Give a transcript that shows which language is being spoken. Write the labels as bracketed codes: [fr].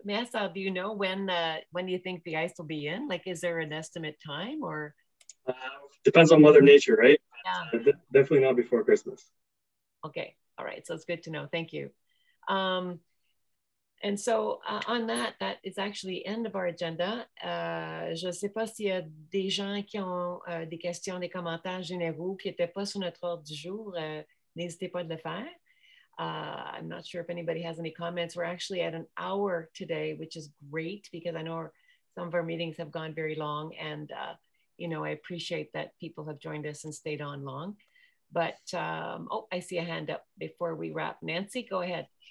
[en] Massa, do you know when do you think the ice will be in? Like, is there an estimate time, or? Depends on Mother Nature, right? Yeah. Definitely not before Christmas. Okay, all right, so it's good to know. Thank you. On that is actually the end of our agenda. [fr] Je ne sais pas s'il y a des gens qui ont des questions, des commentaires généraux qui n'étaient pas sur notre ordre du jour. N'hésitez pas de le faire. [en] I'm not sure if anybody has any comments. We're actually at an hour today, which is great, because I know some of our meetings have gone very long. And, you know, I appreciate that people have joined us and stayed on long. But, I see a hand up before we wrap. Nancy, go ahead.